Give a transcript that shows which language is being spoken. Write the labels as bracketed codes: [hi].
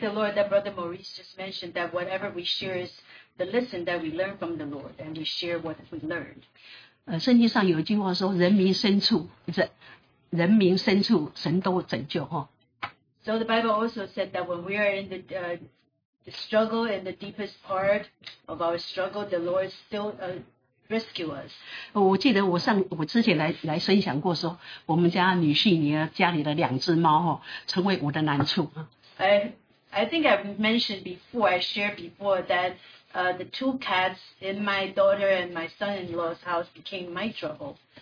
[en] the Lord that Brother Maurice just mentioned that whatever we share is the lesson that we learn from the Lord, and we share what we learned. [zh] 圣经上有一句话说，人民深处，人民深处，神都拯救哈。 [en] So the Bible also said that when we are in the struggle, in the deepest part of our struggle, the Lord still rescue us. [zh] 我记得我之前来分享过说，我们家女婿家里的两只猫成为我的难处。 [en] I think I've mentioned before, I shared before that the two cats in my daughter and my son-in-law's house became my trouble.